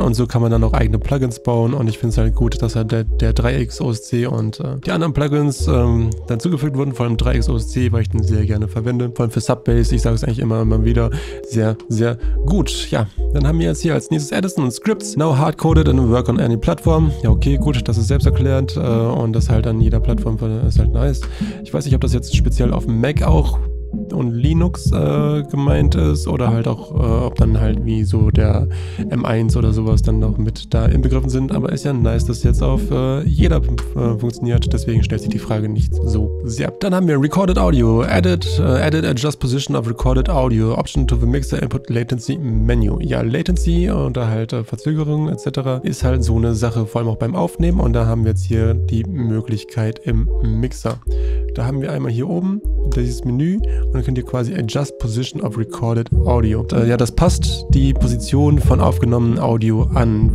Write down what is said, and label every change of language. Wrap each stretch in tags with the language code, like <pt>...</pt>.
<de>Und so kann man dann auch eigene Plugins bauen. Und ich finde es halt gut, dass halt der 3X OSC und die anderen Plugins dazugefügt wurden. Vor allem 3X OSC, weil ich den sehr gerne verwende. Vor allem für Subbase. Ich sage es eigentlich immer wieder. Sehr, sehr gut. Ja, dann haben wir jetzt hier als nächstes Addison und Scripts.</de> <en>Now hardcoded and work on any platform.</en> <de>Ja, okay, gut. Das ist selbsterklärend. Und das halt an jeder Plattform ist halt nice. Ich weiß nicht, ob das jetzt speziell auf Mac auch und Linux gemeint ist oder halt auch, ob dann halt wie so der M1 oder sowas dann noch mit da inbegriffen sind. Aber ist ja nice, dass jetzt auf jeder funktioniert. Deswegen stellt sich die Frage nicht so sehr. Dann haben wir Recorded Audio.</de> <en>Edit Adjust Position of Recorded Audio. Option to the Mixer Input Latency Menu.</en> <de>Ja, Latency oder halt Verzögerung etc. ist halt so eine Sache, vor allem auch beim Aufnehmen. Und da haben wir jetzt hier die Möglichkeit im Mixer. Da haben wir einmal hier oben dieses Menü. Und dann könnt ihr quasi</de> <en>Adjust Position of Recorded Audio.</en> <de>Und, ja, das passt die Position von aufgenommenem Audio an.</de>